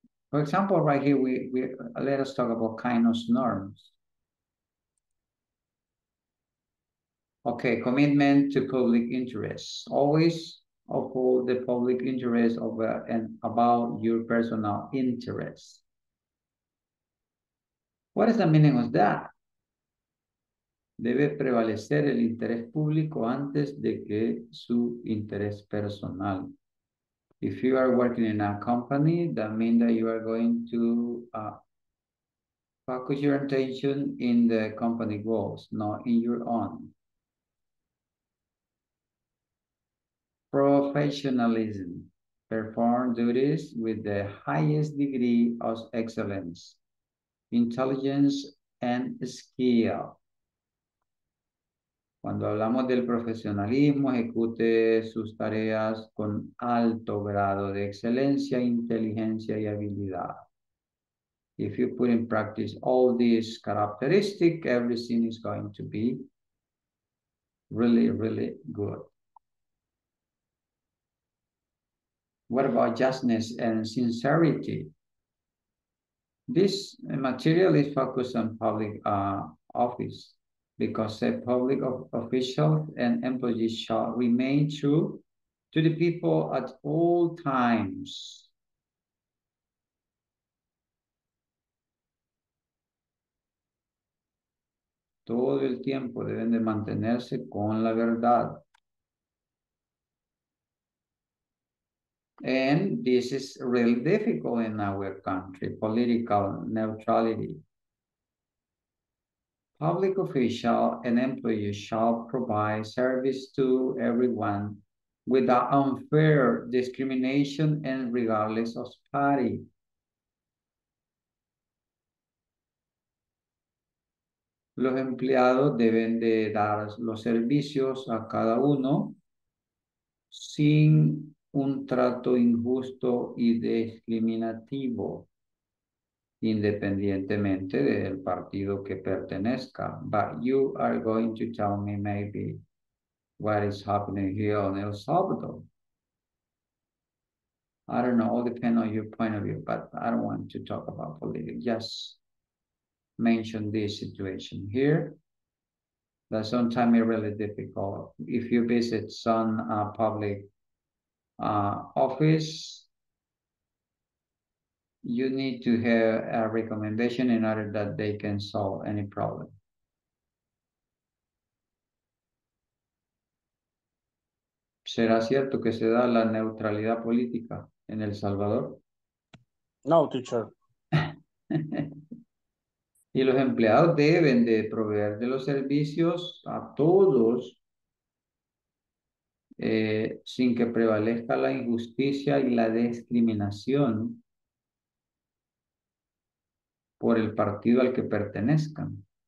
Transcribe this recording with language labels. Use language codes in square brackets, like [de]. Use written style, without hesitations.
[en] For example, right here, we let us talk about kindness norms. Okay, commitment to public interest. Always uphold the public interest over and about your personal interest. What is the meaning of that? [es] Debe prevalecer el interés público antes de que su interés personal. [en] If you are working in a company, that means that you are going to focus your attention in the company goals, not in your own. Professionalism. Perform duties with the highest degree of excellence, intelligence, and skill. [es] Cuando hablamos del profesionalismo, ejecute sus tareas con alto grado de excelencia, inteligencia, y habilidad. [en] If you put in practice all these characteristics, everything is going to be really, really good. What about justness and sincerity? This material is focused on public office, because a public official and employee shall remain true to the people at all times. [es] Todo el tiempo deben de mantenerse con la verdad. [en] And this is really difficult in our country, political neutrality. Public official and employee shall provide service to everyone without unfair discrimination and regardless of party. [es] Los empleados deben de dar los servicios a cada uno sin un trato injusto y discriminativo, independientemente del partido que pertenezca. [en] But you are going to tell me maybe what is happening here in El Salvador. I don't know, it all depends on your point of view, but I don't want to talk about politics. Just mention this situation here. That sometimes it's really difficult. If you visit some public office, you need to have a recommendation in order that they can solve any problem. [es] ¿Será cierto que se da la neutralidad política en El Salvador? [en] No, teacher. [es] Y los empleados deben de proveer de los servicios a todos sin que prevalezca la injusticia y la discriminación por el partido al que pertenezcan.